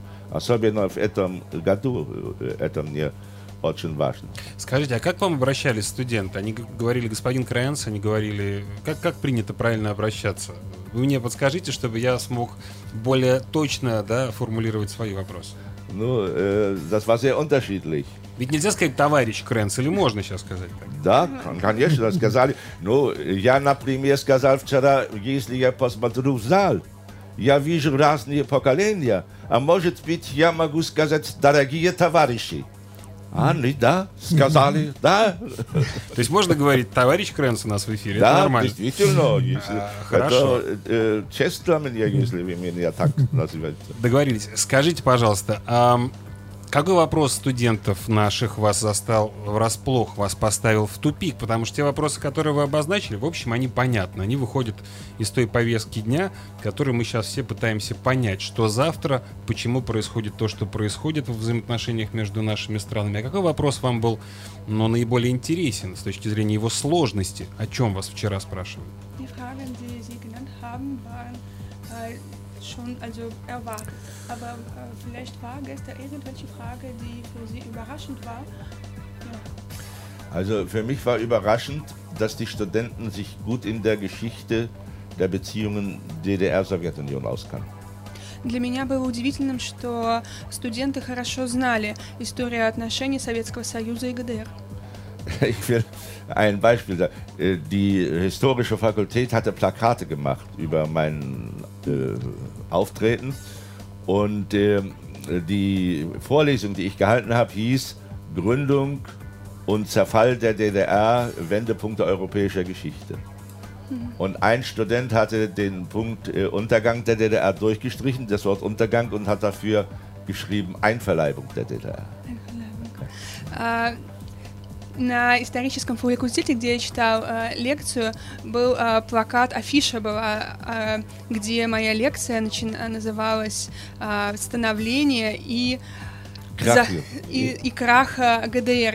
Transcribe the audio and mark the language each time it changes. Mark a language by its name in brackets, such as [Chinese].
[Russian] Особенно в этом году это мне очень важно. Скажите, а как к вам обращались студенты? Они говорили, господин Крэнц, они говорили, как принято правильно обращаться? Вы мне подскажите, чтобы я смог более точно, да, формулировать свои вопросы. [German] Ну, das war sehr unterschiedlich. [Russian] Ведь нельзя сказать товарищ Крэнц, или можно сейчас сказать так? Да, конечно, сказали. Ну, я, например, сказал вчера, если я посмотрю в зал, я вижу разные поколения, а может быть, я могу сказать, дорогие товарищи. А, ну да, сказали, да. То есть можно говорить, товарищ Крэнц у нас в эфире, да, это нормально. Да, действительно. Если... хорошо. Честно мне, если вы меня так называете. Договорились. Скажите, пожалуйста, какой вопрос студентов наших вас застал врасплох, вас поставил в тупик? Потому что те вопросы, которые вы обозначили, в общем, они понятны. Они выходят из той повестки дня, которую мы сейчас все пытаемся понять. Что завтра, почему происходит то, что происходит в взаимоотношениях между нашими странами. А какой вопрос вам был, ну, наиболее интересен с точки зрения его сложности? О чем вас вчера спрашивали? [German] Die Fragen, die Sie genannt haben, waren, schon also erwartet, aber vielleicht war gestern irgendwelche Frage, die für Sie überraschend war. Ja. Also für mich war überraschend, dass die Studenten sich gut in der Geschichte der Beziehungen DDR-Sowjetunion auskannten. [Russian] Для меня было удивительным, что студенты хорошо знали историю отношений Советского Союза и ГДР. [German] Ich will ein Beispiel sagen. Die historische Fakultät hatte Plakate gemacht über mein Auftreten. Und die Vorlesung, die ich gehalten habe, hieß Gründung und Zerfall der DDR, Wendepunkt der europäischen Geschichte. Und ein Student hatte den Punkt Untergang der DDR durchgestrichen, das Wort Untergang, und hat dafür geschrieben Einverleibung der DDR. [Russian] На историческом факультете, где я читал лекцию, был плакат, афиша была, где моя лекция называлась «Становление и крах ГДР».